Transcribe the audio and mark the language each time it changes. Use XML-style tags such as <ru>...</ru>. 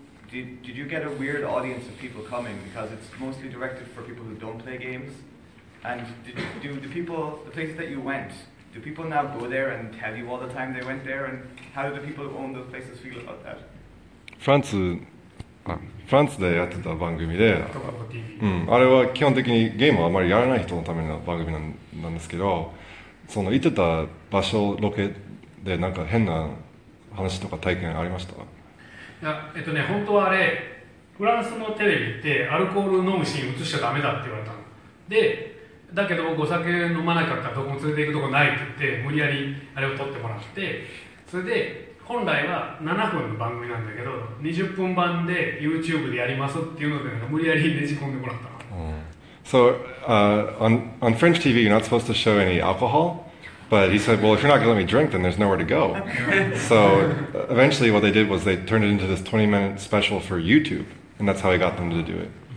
<en>Did you get a weird audience of people coming because it's mostly directed for people who don't play games? And the places that you went, do people now go there and tell you all the time they went there? And how do the people who own those places feel about that?</en> <ja>France でやってた番組で、うん、あれは基本的にゲームをあまりやらない人のための番組なんですけど、その行ってた場所ロケでなんか変な話とか体験ありました？いや、ね、本当はあれ、フランスのテレビってアルコール飲むシーン映しちゃダメだって言われたの。で、だけどお酒飲まなかったらどこも連れて行くとこないって言って、無理やりあれを撮ってもらって、それで、本来は7分の番組なんだけど、20分版で YouTube でやりますっていうので、無理やりねじ込んでもらったの。</ja> <en>So, on French TV, you're not supposed to show any alcohol? But he said, well, if you're not going to let me drink, then there's nowhere to go. So eventually what they did was they turned it into this 20-minute special for YouTube, and that's how he got them to do it.</en>